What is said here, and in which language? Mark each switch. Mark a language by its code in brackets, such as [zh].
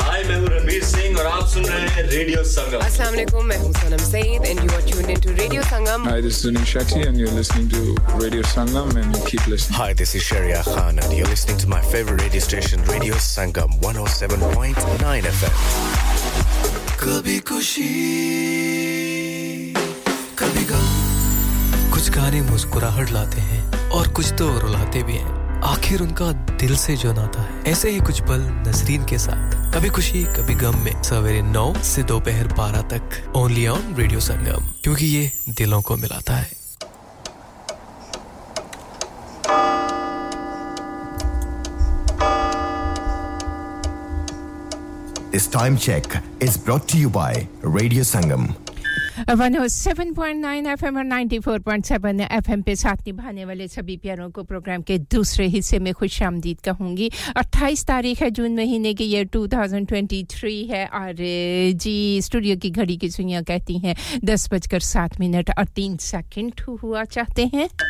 [hi] Hi, main hu Ranveer Singh, aur aap sun rahe Radio Sangam. [en] Assalamu alaikum, [hi] main hu [en] Sanam Saeed, and you are tuned into Radio Sangam. Hi, this is Zunin Shetty, and you're listening to Radio Sangam, and keep listening. Hi, this is Sharia Khan, and you're listening to my favorite radio station, Radio Sangam 107.9 FM. [hi] कभी खुशी कभी गम कुछ गाने मुस्कुराहट लाते हैं और कुछ तो रुलाते भी हैं आखिर उनका दिल से जो नाता है ऐसे ही कुछ पल नसरीन के साथ कभी खुशी कभी गम में सवेरे 9 से दोपहर 12 तक [en] only on [hi] रेडियो संगम क्योंकि ये दिलों को मिलाता है [en] This time check is brought to you by Radio Sangam. [hi] 107.9 FM और 94.7 FM पे साथ निभाने वाले सभी प्यारों को प्रोग्राम के दूसरे हिस्से में खुशामदीद कहूंगी 28 तारीख है जून महीने की ये 2023 है और जी स्टूडियो की घड़ी की सुइयां कहती हैं 10:07:03 हुआ चाहते हैं